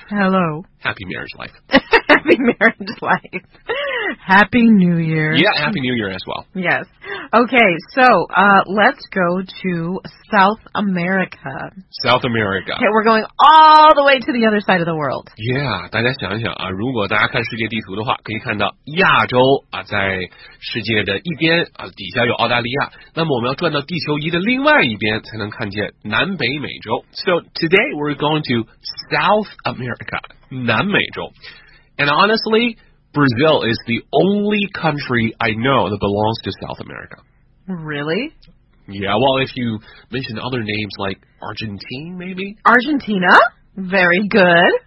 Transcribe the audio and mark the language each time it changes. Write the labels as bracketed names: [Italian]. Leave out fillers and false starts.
[English] hello. Happy marriage life. Happy marriage life. Happy New Year. Yeah, Happy New Year as well. Yes. Okay, so let's go to South America. South America. Okay, we're going all the way to the other side of the world. [Chinese] Yeah, 大家想一想啊，如果大家看世界地图的话，可以看到亚洲啊，在世界的一边啊，底下有澳大利亚。那么我们要转到地球仪的另外一边，才能看见南北美洲。 [English] So today we're going to South America, 南美洲。 And honestly,Brazil is the only country I know that belongs to South America. Really? Yeah, well, if you mention other names like Argentina, maybe? Argentina? Very good.